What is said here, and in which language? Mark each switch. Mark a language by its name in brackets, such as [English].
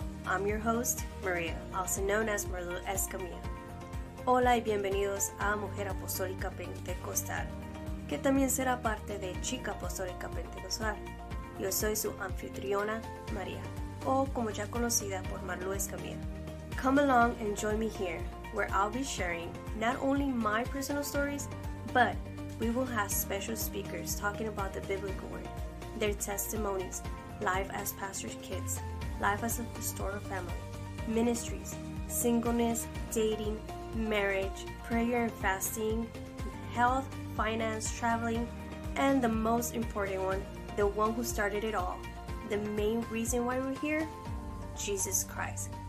[English] I'm your host, Maria, also known as Merlu Escamilla. [Spanish] Hola y bienvenidos a Mujer Apostólica Pentecostal, que también será parte de Chica Apostólica Pentecostal. Yo soy su anfitriona, María, o como ya conocida por Merlu Escamilla. [English] Come along and join me here, where I'll be sharing not only my personal stories, but we will have special speakers talking about the biblical word, their testimonies, life as pastor's kids, life as a pastoral family, ministries, singleness, dating, marriage, prayer and fasting, health, finance, traveling, and the most important one, the one who started it all, the main reason why we're here, Jesus Christ.